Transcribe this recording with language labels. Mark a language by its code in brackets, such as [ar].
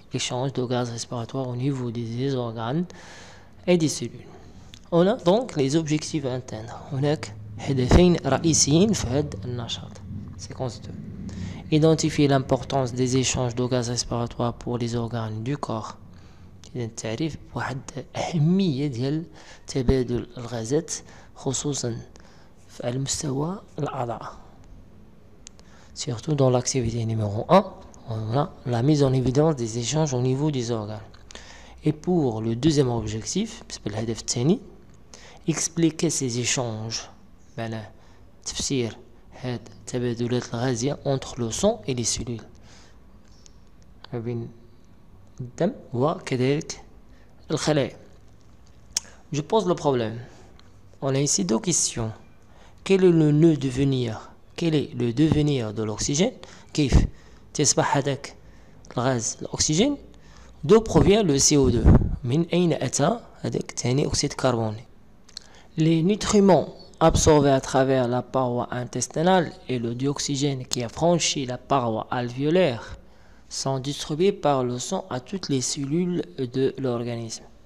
[fr] Échange de gaz respiratoire au niveau des organes et des cellules. On a donc les objectifs à atteindre. On a [ar] hedefin ra'isiyin fahad al-nashat. [fr] Séquence 2. Identifier l'importance des échanges de gaz respiratoire pour les organes du corps. [ar] تعريف واحد أهمية ديال تبادل الغازات خصوصا في المستوى الأعضاء. [fr] Surtout dans l'activité numéro 1, on a la mise en évidence des échanges au niveau des organes. Et pour le deuxième objectif, c'est le [ar] هدف الثاني, [fr] expliquer ces échanges. Voilà, [ar] تفسير هاد التبادلات الغازية [fr] entre le sang et les cellules. [ar] ما بين الدم وكذلك الخلايا. [fr] Je pose le problème. On a ici deux questions. Quel est le nœud de venir? Quel est le devenir de l'oxygène? [ar] كيف تصبح هذاك الغاز الأكسجين؟ [fr] D'où provient le CO2? [ar] من أين أتى هذاك ثاني أكسيد الكربون؟ [fr] Les nutriments absorbé à travers la paroi intestinale et le dioxygène qui a franchi la paroi alvéolaire sont distribués par le sang à toutes les cellules de l'organisme.